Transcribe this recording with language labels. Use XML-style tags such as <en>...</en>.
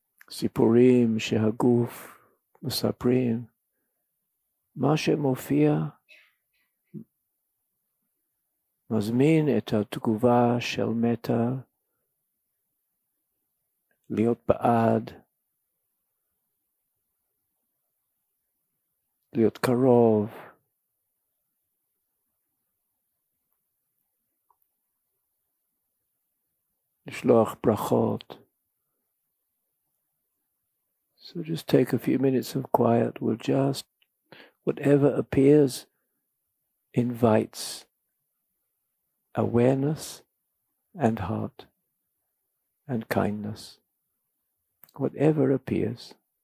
<he>Sipurim shehaguf mesaprim. מה שמופיע מזמין את התגובה של מטה להיות בעד, להיות קרוב, לשלוח ברכות.</he> <en>So just take a few minutes of quiet. We'll just, whatever appears, invites awareness and heart and kindness. Whatever appears.</en>